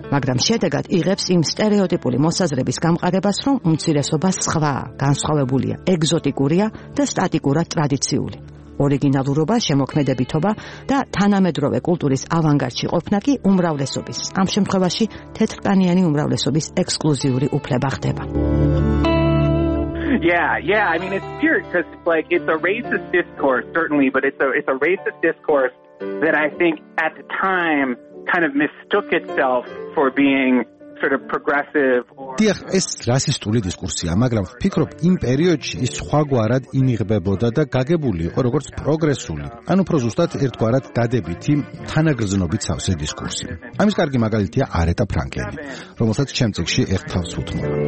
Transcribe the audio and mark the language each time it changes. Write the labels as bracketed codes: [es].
[ka] მაგრამ შედეგად იღებს იმ სტერეოტიპული მოსაზრების გამყარებას, რომ უმცირესობა სხვაა, განსხვავებულია, ეგზოტიკურია და სტატიკურად ტრადიციული. ორიგინალურობა, შემოქმედებითობა და თანამედროვე კულტურის ავანგარდში ყოფნა კი უმრავლესობის, ამ შემთხვევაში თეთრკანიანი უმრავლესობის ექსკლუზიური უფლება ხდება. [en] Yeah, I mean it's pure cuz like it's a racist discourse certainly, but it's a racist discourse that I think at the time kind of mistook itself for being sort of progressive. [ka] დიახ, ეს რასისტული დისკურსია, მაგრამ ვფიქრობ, იმ პერიოდში ის სხვაგვარად ინიღებებოდა და გაგებული იყო როგორც პროგრესული. ან უფრო ზუსტად ერთგვარად დადებითი თანაგრძნობით სავსე დისკურსი. ამის კარგი მაგალითია არეტა ფრანკლინი, რომელსაც შემდეგში ერთხავს უთმო.